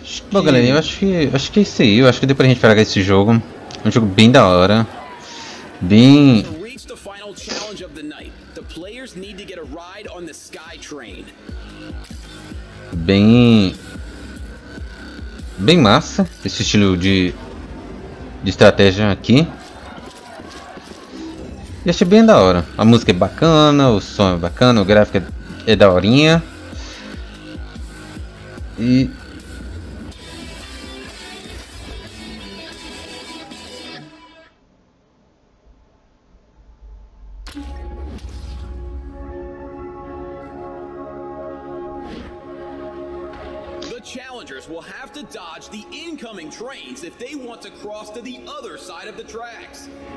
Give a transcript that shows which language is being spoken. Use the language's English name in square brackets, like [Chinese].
[Portuguese] Bom, galera, eu acho que é isso aí. Eu acho que deu pra gente pegar esse jogo. É um jogo bem da hora. Bem. [English] Para reach the final challenge of the night, the players need to get a ride on the sky train. [Portuguese] Bem. bem massa esse estilo de estratégia aqui. E achei bem da hora. A música é bacana, o som é bacana, o gráfico é daorinha. [English] The challengers will have to dodge the incoming trains if they want to cross to the other side of the tracks.